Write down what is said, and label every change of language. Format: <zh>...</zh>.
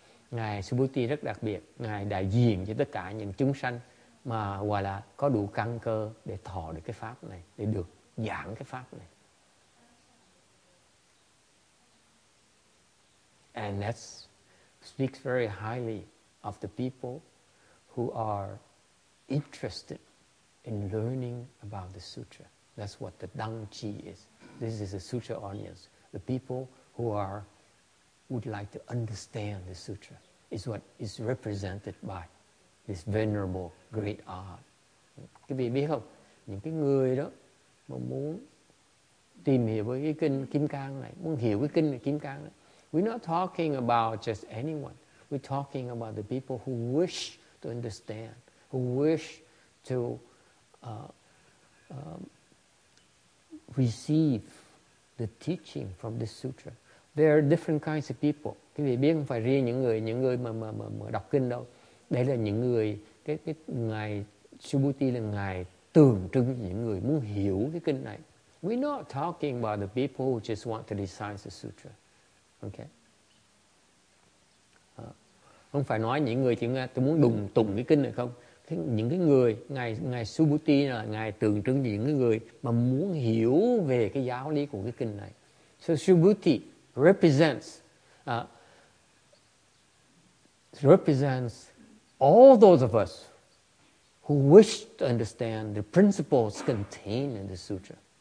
<vi>Ngài Subhuti rất đặc biệt, ngài đại diện cho tất cả những chúng sanh mà gọi là có đủ căn cơ để thọ được cái pháp này, để được giảng cái pháp này.</vi> <en>And that speaks very highly of the people who are interested in learning about the sutra. That's what the Dang Chi is. This is a sutra audience. The people who are would like to understand the sutra is what is represented by this venerable great art.</en> <vi>Các vị biết không? Những cái người đó mà muốn tìm hiểu cái kinh Kim Cang này, muốn hiểu cái kinh Kim Cang này.</vi> <en>We're not talking about just anyone. We're talking about the people who wish to understand, who wish to receive the teaching from this sutra. There are different kinds of people.</en> <vi>Quý vị biết không phải riêng những người mà đọc kinh đâu. Đây là những người, cái ngài Subhuti là ngài tượng trưng những người muốn hiểu cái kinh này.</vi> <en>We're not talking about the people who just want to recite the sutra. Okay?</en> <vi>Không phải nói những người chỉ nghe, tôi muốn đùng tụng cái kinh này không. Những cái người, ngài Subhuti là ngài tượng trưng những cái người mà muốn hiểu về cái giáo lý của cái kinh này.</vi> <en>So Subhuti represents represents all those of us who wish to understand the principles contained in the sutra.</en>